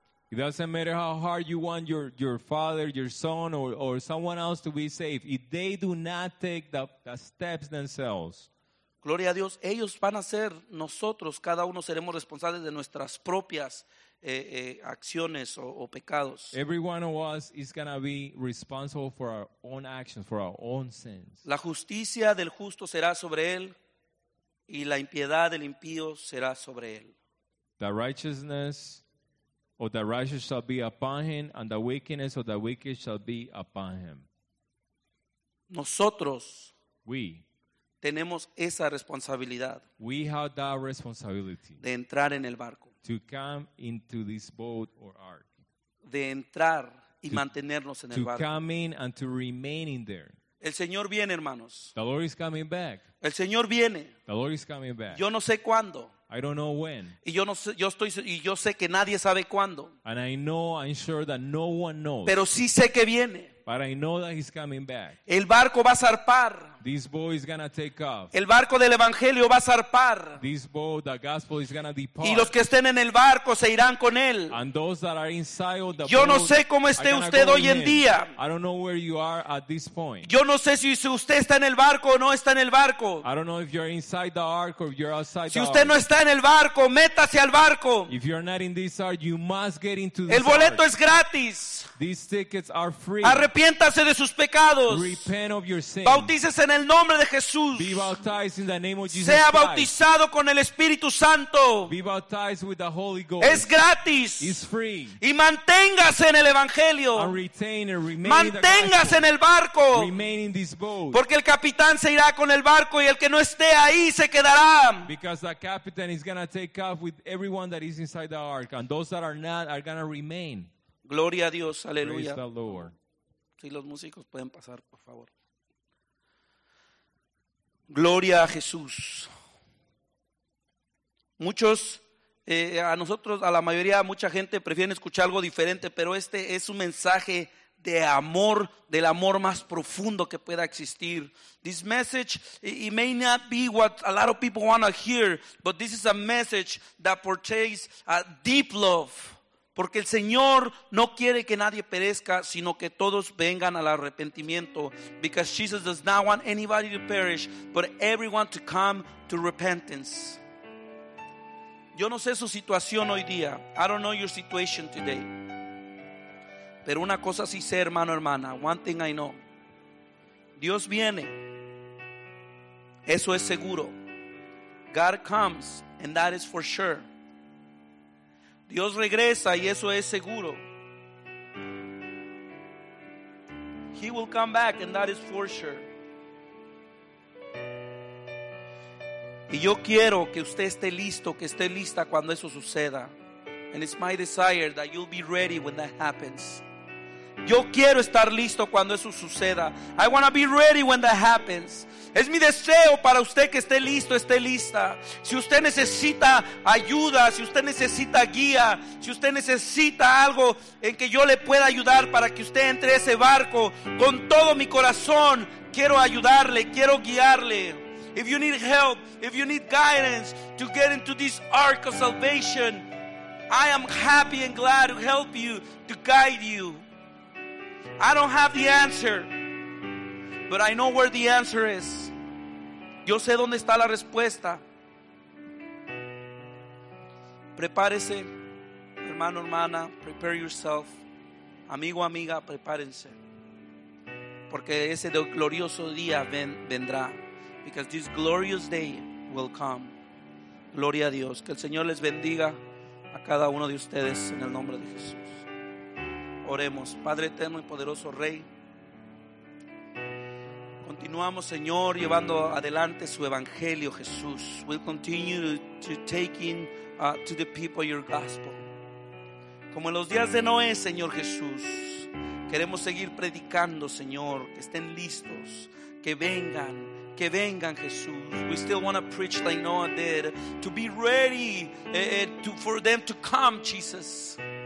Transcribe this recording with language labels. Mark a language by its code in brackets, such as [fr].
[en] It doesn't matter how hard you want your father, your son, or someone else to be saved. If they do not take the steps themselves. [es] Gloria a Dios, ellos van a ser, nosotros, cada uno seremos responsables de nuestras propias acciones o pecados. [en] Every one of us is going to be responsible for our own actions, for our own sins. [es] La justicia del justo será sobre él, y la impiedad del impío será sobre él. [en] The righteousness of the righteous shall be upon him, and the wickedness of the wicked shall be upon him. [es] Nosotros. [en] We. [es] Tenemos esa responsabilidad. [en] We have that responsibility. [es] De entrar en el barco. [en] To come into this boat or ark. [es] De entrar y mantenernos en el barco. [en] To come in and to remain in there. [es] El Señor viene, hermanos. [en] The Lord is coming back. [es] El Señor viene. [en] The Lord is coming back. [es] Yo no sé cuándo. [en] I don't know when. [es] Y yo no sé, yo sé que nadie sabe cuándo. [en] And I know, I'm sure that no one knows. [es] Pero sí sé que viene. [en] But I know that he's coming back. [es] El barco va a zarpar. [en] This boat is gonna take off. [es] El barco del evangelio va a zarpar. [en] This boat, the gospel is gonna depart. [es] Y los que estén en el barco se irán con él. [en] And those that are inside of the [es] Yo Yo no sé cómo esté usted hoy en día. [en] I don't know where you are at this point. [es] Yo no sé si usted está en el barco o no está en el barco. [en] I don't know if you're inside the ark or if you're outside the ark. [es] Si usted no está en el barco, métase al barco. [en] If you're not in this ark, you must get into this [es] El boleto [en] ark. [es] Es gratis. [en] These tickets are free. [es] Arrepiéntase de sus pecados. [en] Repent of your sins. [es] Bautícese en el nombre de Jesús. [en] Be baptized in the name of Jesus. [es] Sea bautizado [en] Christ. [es] Con el Espíritu Santo. [en] Be baptized with the Holy Ghost. [es] Es gratis. [en] It's free. [es] Y manténgase en el evangelio. [en] And retain and remain [es] manténgase [en] the [es] en el barco. [en] Remain in this boat. [es] Porque el capitán se irá con el barco y el que no esté ahí se quedará. [en] Because the captain is going to take off with everyone that is inside the ark and those that are not are going to remain. [es] Gloria a Dios, aleluya. [en] Praise the Lord. [es] Si los músicos pueden pasar, por favor. Gloria a Jesús. Muchos, a nosotros, a la mayoría, mucha gente prefiere escuchar algo diferente, pero este es un mensaje de amor, del amor más profundo que pueda existir. [en] This message, it may not be what a lot of people want to hear, but this is a message that portrays a deep love. [es] Porque el Señor no quiere que nadie perezca, sino que todos vengan al arrepentimiento. [en] Because Jesus does not want anybody to perish, but everyone to come to repentance. [es] Yo no sé su situación hoy día. [en] I don't know your situation today. [es] Pero una cosa sí sé, hermano, hermana. [en] One thing I know. [es] Dios viene. Eso es seguro. [en] God comes, and that is for sure. [es] Dios regresa y eso es seguro. [en] He will come back and that is for sure. [es] Y yo quiero que usted esté listo, que esté lista cuando eso suceda. [en] And it's my desire that you'll be ready when that happens. [es] Yo quiero estar listo cuando eso suceda. [en] I want to be ready when that happens. [es] Es mi deseo para usted que esté listo, esté lista. Si usted necesita ayuda, si usted necesita guía, si usted necesita algo en que yo le pueda ayudar para que usted entre ese barco, con todo mi corazón quiero ayudarle, quiero guiarle. [en] If you need help, if you need guidance to get into this ark of salvation, I am happy and glad to help you, to guide you. I don't have the answer. But I know where the answer is. [es] Yo sé dónde está la respuesta. Prepárese, hermano, hermana, [en] prepare yourself. [es] Amigo, amiga, prepárense. Porque ese glorioso día vendrá. [en] Because this glorious day will come. [es] Gloria a Dios. Que el Señor les bendiga a cada uno de ustedes en el nombre de Jesús. Oremos. Padre eterno y poderoso Rey, continuamos, Señor, llevando adelante su evangelio, Jesús. [en] We'll continue to take in to the people your gospel. [es] Como en los días de Noé, Señor Jesús, queremos seguir predicando, Señor, que estén listos, que vengan, Jesús. [en] We still want to preach like Noah did, to be ready for them to come, Jesus.